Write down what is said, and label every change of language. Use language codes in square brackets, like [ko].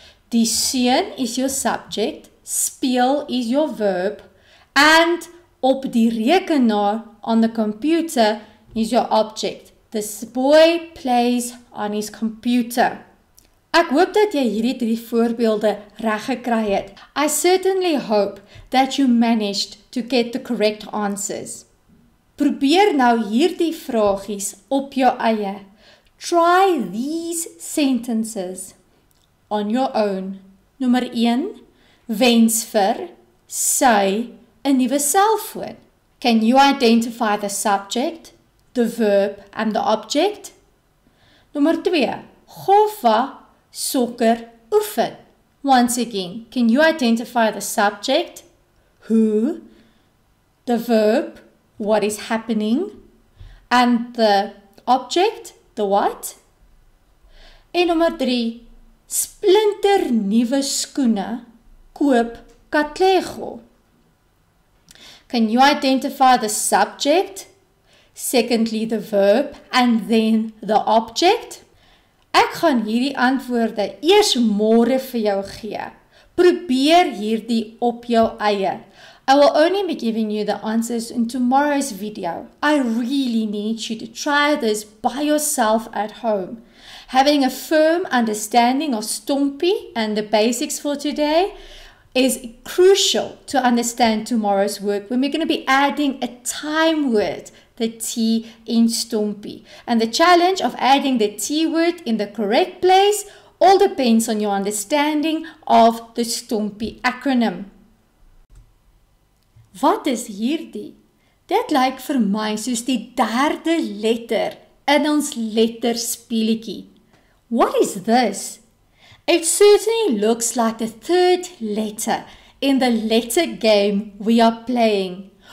[af] Die seun [en] is your subject, speel is your verb, and [af] op die rekenaar, [en] on the computer, is your object. This boy plays on his computer. [af] Ek hoop dat jy hierdie 3 voorbeelde reg gekry het. [en] I certainly hope that you managed to get the correct answers. [af] Probeer nou hierdie vragies op jou eie. [en] Try these sentences on your own. [af] Nommer 1. Wens vir sy 'n nuwe selfoon. [en] Can you identify the subject, the verb and the object? [af] Nommer 2. Golfa sokker oefen. [en] Once again, can you identify the subject, who, the verb, what is happening, and the object, the what? [af] En nommer 3. Splinter nuwe skoene, koop katlego. [en] Can you identify the subject, secondly the verb, and then the object? [af] Ek gaan hierdie antwoorde eers môre vir jou gee. Probeer hierdie op jou eie. [en] I will only be giving you the answers in tomorrow's video. I really need you to try this by yourself at home. Having a firm understanding of Stompie and the basics for today is crucial to understand tomorrow's work when we're going to be adding a time word, the T in Stompie. And the challenge of adding the T word in the correct place all depends on your understanding of the Stompie acronym. [af] Wat is hierdie? Dit lyk vir my soos die derde letter in ons letterspeletjie. [en] What is this? It certainly looks like the third letter in the letter game we are playing.